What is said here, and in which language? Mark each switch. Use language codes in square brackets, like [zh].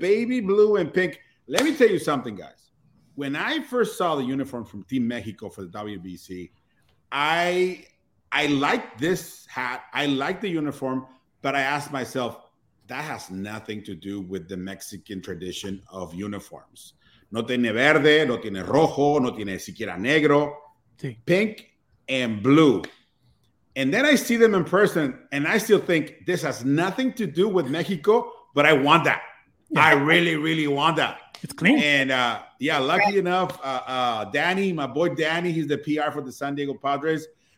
[en] The baby blue and pink. Let me tell you something, guys. When I first saw the uniform from Team Mexico for the WBC, I liked this hat. I liked the uniform, but I asked myself, that has nothing to do with the Mexican tradition of uniforms. [es] No tiene verde, no tiene rojo, no tiene siquiera negro. [en] Sí. Pink and blue. And then I see them in person, and I still think this has nothing to do with Mexico, but I want that. Yeah. I really, really want that. It's clean. And yeah, lucky enough, Danny, my boy Danny, he's the PR for the San Diego Padres.